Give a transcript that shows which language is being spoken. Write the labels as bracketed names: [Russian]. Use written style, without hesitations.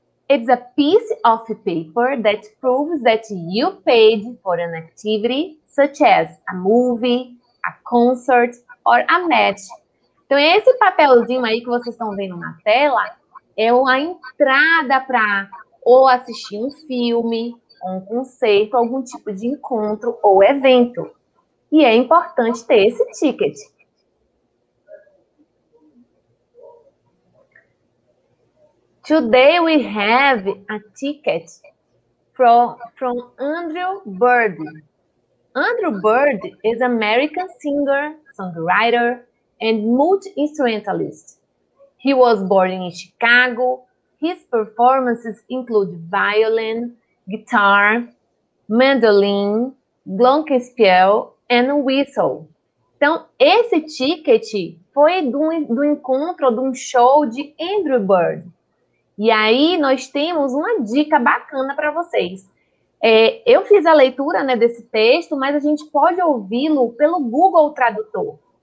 [English] It's a piece of paper that proves that you paid for an activity, such as a movie, a concert, or a match. [Portuguese] Então, esse papelzinho aí que vocês estão vendo na tela é a entrada para ou assistir um filme, um concerto, algum tipo de encontro ou evento. E é importante ter esse ticket. [English] Today we have a ticket from Andrew Bird. Andrew Bird is an American singer, songwriter, and multi-instrumentalist. He was born in Chicago. His performances include violin, guitar, mandolin, glockenspiel, and whistle. [Portuguese] Então, esse ticket foi do encontro, de um show de Andrew Bird. E aí, nós temos uma dica bacana para vocês. É, eu fiz a leitura, né, desse texto, mas a gente pode ouvi-lo pelo Google Tradutor.